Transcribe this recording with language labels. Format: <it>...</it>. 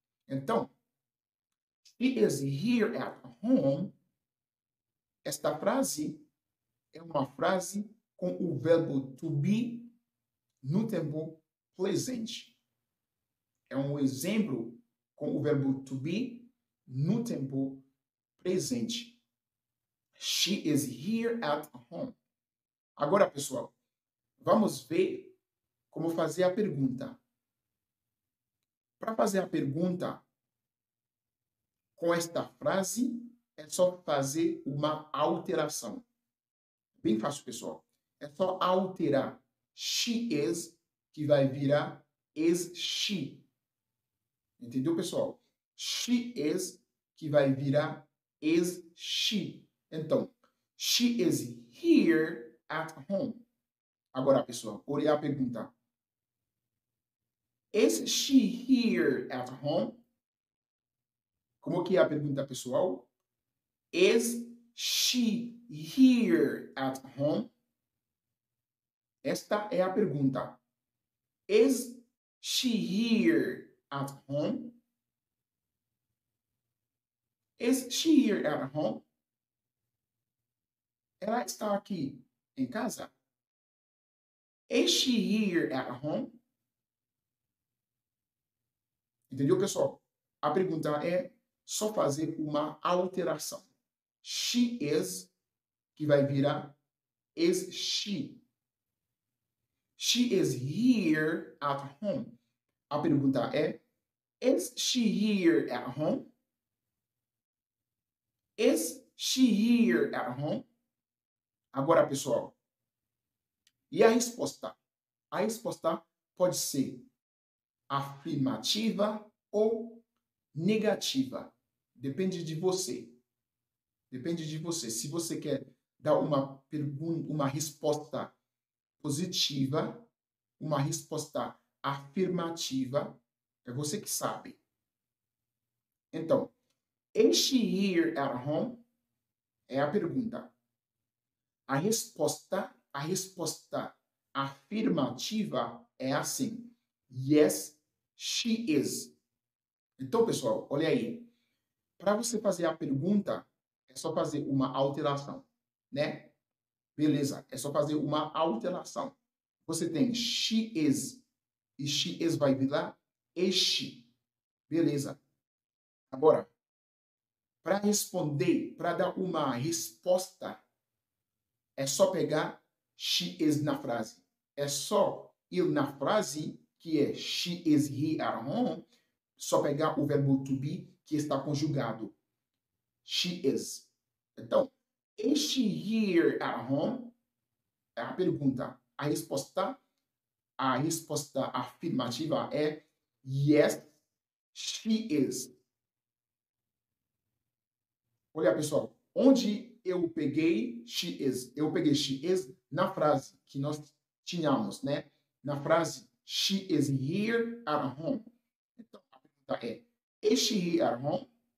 <pt>Então,</pt> <en>she is here at home.</en> <pt>Esta frase é uma frase com o verbo to be no tempo presente. É um exemplo com o verbo to be no tempo presente.</pt> <en>She is here at home.</en> <pt>Agora, pessoal, vamos ver como fazer a pergunta. Para fazer a pergunta com esta frase, é só fazer uma alteração. Bem fácil, pessoal. É só alterar</pt> <en>she is,</en> <pt>que vai virar</pt> <en>is she.</en> <pt>Entendeu, pessoal?</pt> <en>She is,</en> <pt>que vai virar</pt> <en>is she.</en> <pt>Então,</pt> <en>she is here at home.</en> <pt>Agora, pessoal, olhe a pergunta.</pt> <en>Is she here at home?</en> <pt>Como que é a pergunta, pessoal?</pt> <en>Is she here at home?</en> <pt>Esta é a pergunta.</pt> <en>Is she here at home? Is she here at home?</en> <pt>Ela está aqui em casa?</pt> <en>Is she here at home?</en> <pt>Entendeu, pessoal? A pergunta é só fazer uma alteração.</pt> <en>She is,</en> <pt>que vai virar</pt> <en>is she. She is here at home.</en> <pt>A pergunta é,</pt> <en>is she here at home? Is she here at home?</en> <pt>Agora, pessoal, e a resposta? A resposta pode ser afirmativa ou negativa. Depende de você. Depende de você. Se você quer dar uma pergunta, uma resposta positiva, uma resposta afirmativa, é você que sabe. Então,</pt> <en>is she here at home?</en> <pt>É a pergunta. A resposta afirmativa é assim.</pt> <en>Yes, she is.</en> <pt>Então, pessoal, olha aí. Para você fazer a pergunta, é só fazer uma alteração, né? Beleza, é só fazer uma alteração. Você tem</pt> <en>she is</en> <pt>e she is vai virar</pt> <en>is she.</en> <pt>Beleza. Agora, para responder, para dar uma resposta, é só pegar</pt> <en>she is</en> <pt>na frase. É só ir na frase, que é</pt> <en>she is here at home,</en> <pt>só pegar o verbo to be, que está conjugado.</pt> <en>She is.</en> <pt>Então,</pt> <en>is she here at home?</en> <pt>É a pergunta. A resposta afirmativa é</pt> <en>yes, she is.</en> <pt>Olha, pessoal, onde eu peguei</pt> <en>she is?</en> <pt>Eu peguei</pt> <en>she is</en> <pt>na frase que nós tínhamos, né? Na frase,</pt> <en>she is here at home.</en> <pt>Então, a pergunta é,</pt> <en>is she here at home?</en>